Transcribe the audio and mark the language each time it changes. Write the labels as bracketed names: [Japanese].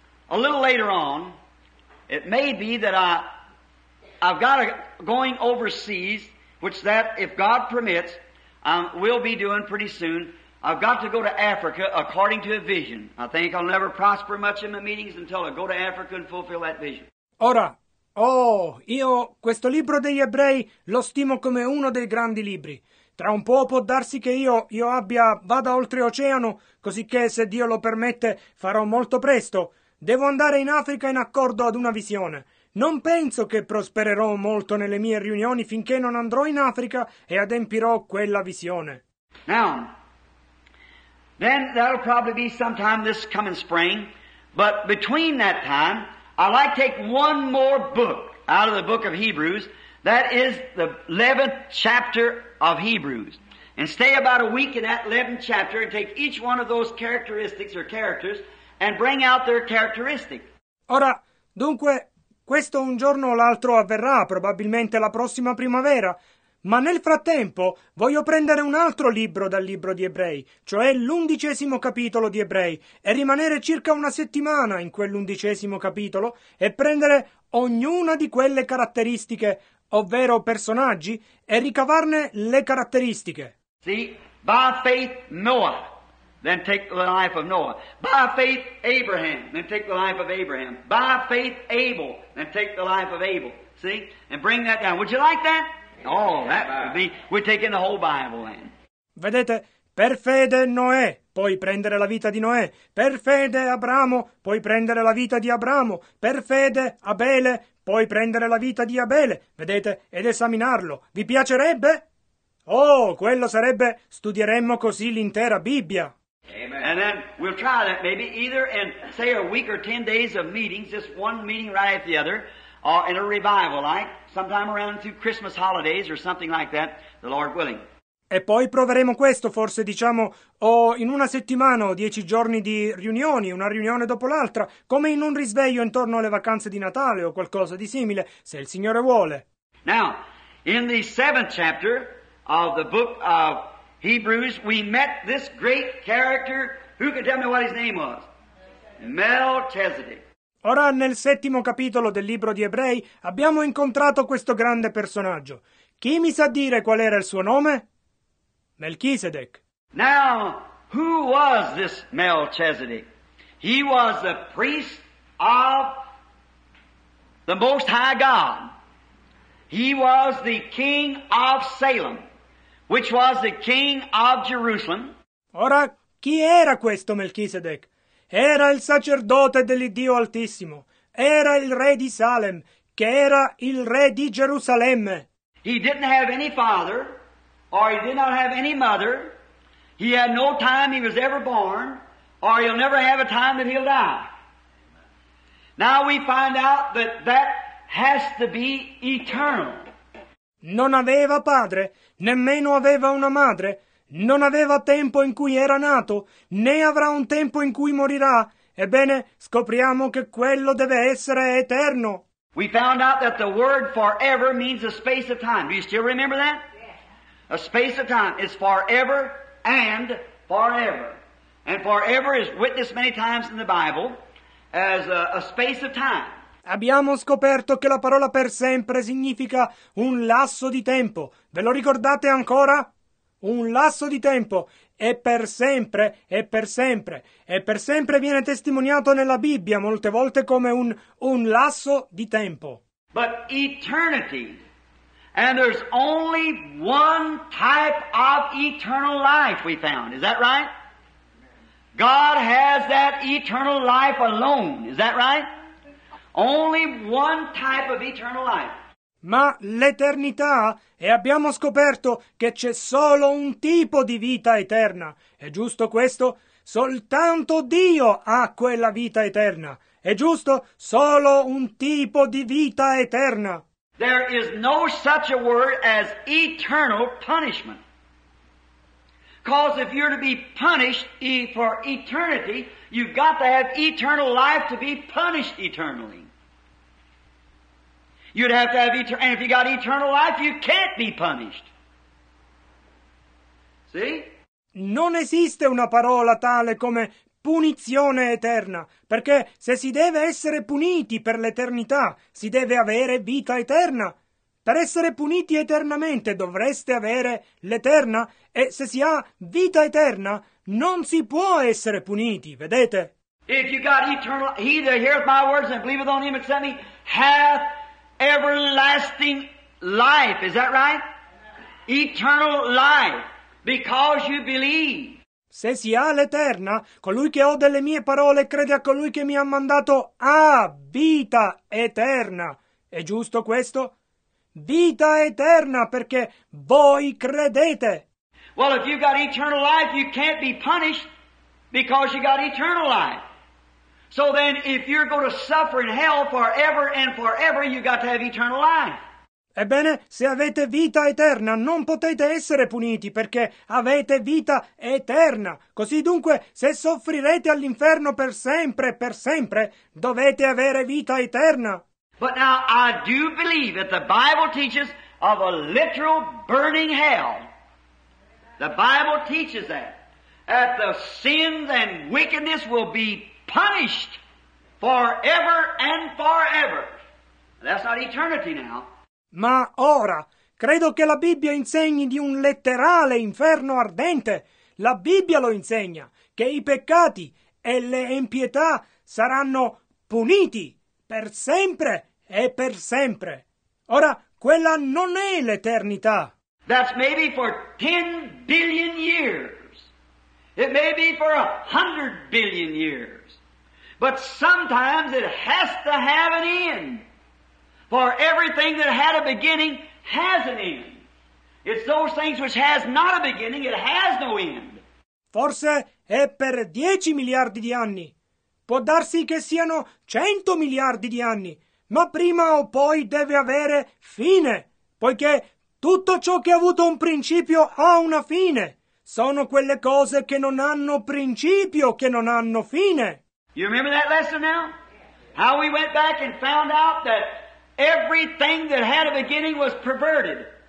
[English] A little later on, it may be that I've got a going overseas, which that, if God permits, we'll be doing pretty soon. I've got to go to Africa according to a vision. I think I'll never prosper much in my meetings until I go to Africa and fulfill that vision. [Italian] Ora, io questo libro degli ebrei lo stimo come uno dei grandi libri. Tra un po' può darsi che io vada oltreoceano, cosicché, se Dio lo permette, farò molto presto. Devo andare in Africa in accordo ad una visione. Non penso che prospererò molto nelle mie riunioni finché non andrò in Africa e adempirò quella visione. [English] Now, then that'll probably be sometime this coming spring, but between that time, I'd like to take one more book out of the book of Hebrews. That is the 11th chapter of Hebrews. And stay about a week in that 11th chapter and take each one of those characteristics or characters and bring out their characteristic. [Italian] Ora, dunque, questo un giorno o l'altro avverrà, probabilmente la prossima primavera. Ma nel frattempo voglio prendere un altro libro dal libro di Ebrei, cioè l'undicesimo capitolo di Ebrei, e rimanere circa una settimana in quell'undicesimo capitolo e prendere ognuna di quelle caratteristiche, ovvero personaggi, e ricavarne le caratteristiche. [English] See, by faith Noah, then take the life of Noah. By faith Abraham, then take the life of Abraham. By faith Abel, then take the life of Abel. See, and bring that down. Would you like that? Oh, that would be, we're taking the whole Bible then. [Italian] Vedete, per fede Noè, puoi prendere la vita di Noè. Per fede Abramo, puoi prendere la vita di Abramo. Per fede Abele, puoi prendere la vita di Abele, vedete, ed esaminarlo. Vi piacerebbe? Oh, quello sarebbe, studieremmo così l'intera Bibbia. [English] Amen. And then we'll try that maybe either in, say, a week or 10 days of meetings, just one meeting right after the other, or in a revival, like, sometime around through Christmas holidays or something like that, the Lord willing. [Italian] E poi proveremo questo, forse, diciamo, o in una settimana o 10 giorni di riunioni, una riunione dopo l'altra, come in un risveglio intorno alle vacanze di Natale o qualcosa di simile, se il Signore vuole. [English] Now, in the 7th chapter of the book of Hebrews, we met this great character. Who can tell me what his name was? Melchizedek. [Italian] Ora, nel 7° capitolo del libro di Ebrei, abbiamo incontrato questo grande personaggio. Chi mi sa dire qual era il suo nome? Melchizedek. [English] Now, who was this Melchizedek? He was the priest of the Most High God. He was the king of Salem, which was the king of Jerusalem. [Italian] Ora, chi era questo Melchizedek? Era il sacerdote dell'Iddio Altissimo. Era il re di Salem, che era il re di Gerusalemme. [English] He didn't have any father. Or he did not have any mother. He had no time he was ever born. Or he'll never have a time that he'll die. Now we find out that that has to be eternal. [Italian] Non aveva padre, nemmeno aveva una madre. Non aveva tempo in cui era nato, né avrà un tempo in cui morirà. Ebbene, scopriamo che quello deve essere eterno. [English] We found out that the word forever means a space of time. Do you still remember that? A space of time is forever and forever. And forever is witnessed many times in the Bible as a space of time. [Italian] Abbiamo scoperto che la parola per sempre significa un lasso di tempo. Ve lo ricordate ancora? Un lasso di tempo. E per sempre, e per sempre. E per sempre viene testimoniato nella Bibbia molte volte come un lasso di tempo. [English] but eternity. And there's only one type of eternal life we found. Is that right? God has that eternal life alone. Is that right? Only one type of eternal life. [Italian] Ma l'eternità, e abbiamo scoperto che c'è solo un tipo di vita eterna. È giusto questo? Soltanto Dio ha quella vita eterna. È giusto? Solo un tipo di vita eterna. [English] There is no such a word as eternal punishment. Because if you're to be punished for eternity, you've got to have eternal life to be punished eternally. You'd have to have eternal, and if you got eternal life, you can't be punished. See? [Italian] Non esiste una parola tale come punizione eterna, perché se si deve essere puniti per l'eternità, si deve avere vita eterna. Per essere puniti eternamente dovreste avere l'eterna, e se si ha vita eterna, non si può essere puniti, vedete? [English] If you got eternal, he that heareth my words and believeth on him that sent me hath everlasting life. Is that right? Eternal life. Because you believe. [Italian] Se si ha l'eterna, colui che ode le mie parole crede a colui che mi ha mandato ha vita eterna. È giusto questo? Vita eterna perché voi credete. [English] Well, if you got eternal life, you can't be punished because you got eternal life. So then, if you're going to suffer in hell forever and forever, you got to have eternal life. [Italian] Ebbene, se avete vita eterna, non potete essere puniti, perché avete vita eterna. Così dunque, se soffrirete all'inferno per sempre, dovete avere vita eterna. [English] But now, I do believe that the Bible teaches of a literal burning hell. The Bible teaches that. That the sins and wickedness will be punished forever and forever. That's not eternity now. [Italian] Ma ora, credo che la Bibbia insegni di un letterale inferno ardente. La Bibbia lo insegna, che i peccati e le impietà saranno puniti per sempre e per sempre. Ora, quella non è l'eternità. [English] That's maybe for 10 billion years. It may be for 100 billion years. But sometimes it has to have an end. For everything that had a beginning has an end. It's those things which has not a beginning, it has no end. [Italian] Forse è per 10 miliardi di anni. Può darsi che siano 100 miliardi di anni. Ma prima o poi deve avere fine. Poiché tutto ciò che ha avuto un principio ha una fine. Sono quelle cose che non hanno principio, che non hanno fine. [English] You remember that lesson now? How we went back and found out that everything that had a beginning was perverted.